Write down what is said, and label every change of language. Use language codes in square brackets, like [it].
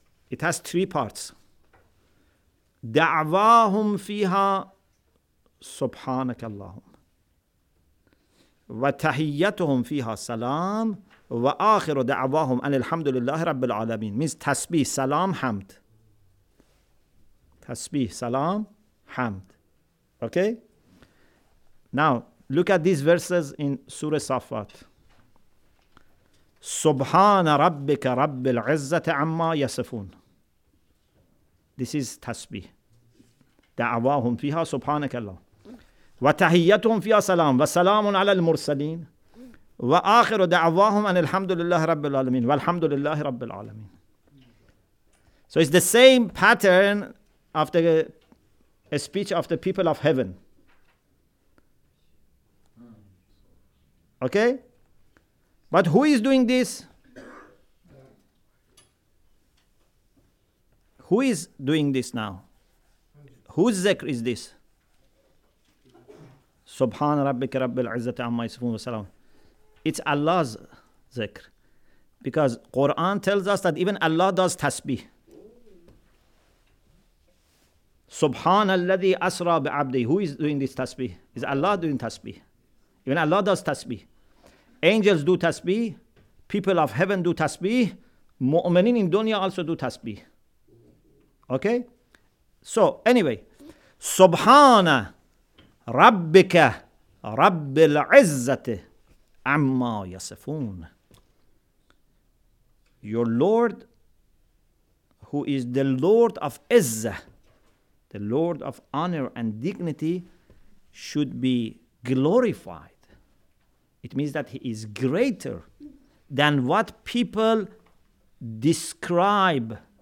[en] It has three parts. [ar] Da'wahum fiha subhanakallahum. Wa tahiyyatuhum fiha salam. و آخر دعواهم ان الحمد لله رب العالمين [en] means [ar] تسبیح سلام حمد. تسبیح سلام حمد. [en] Okay? Now, look at these verses in Surah Safat. [ar] سبحان ربك رب العزة عما يصفون. [en] This is [ar] تسبیح. دعواهم فيها سبحانك الله. وتحيتهم فيها سلام وسلام على المرسلين. وآخر دعواهم أن الحمد لله رب العالمين والحمد لله رب العالمين. [en] So it's the same pattern of the speech of the people of heaven. Okay? But who is doing this? Who is doing this now? Whose zikr is this? [ar] Subhan rabbika rabbil izzati amma yasifun wa salam. [en] It's Allah's zikr. Because Quran tells us that even Allah does tasbih. [ar] Subhan alladhi asra bi abdi. [en] Who is doing this tasbih? Is Allah doing tasbih? Even Allah does tasbih. Angels do tasbih. People of heaven do tasbih. Mu'minin in dunya also do tasbih. Okay? So, anyway. [ar] سبحان ربك رب العزة عما يصفون. [en] Your Lord, who is the Lord of Izzah, the Lord of honor and dignity, should be glorified. It means that he is greater than what people describe.